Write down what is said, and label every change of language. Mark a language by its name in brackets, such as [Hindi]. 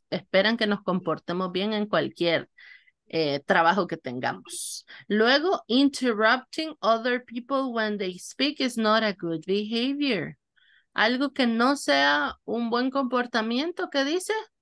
[Spanish] Esperan que nos comportemos bien en cualquier trabajo que tengamos. [English] Luego, interrupting other people when they speak is not a good behavior. [Spanish] Algo que no sea un buen comportamiento, ¿qué dice?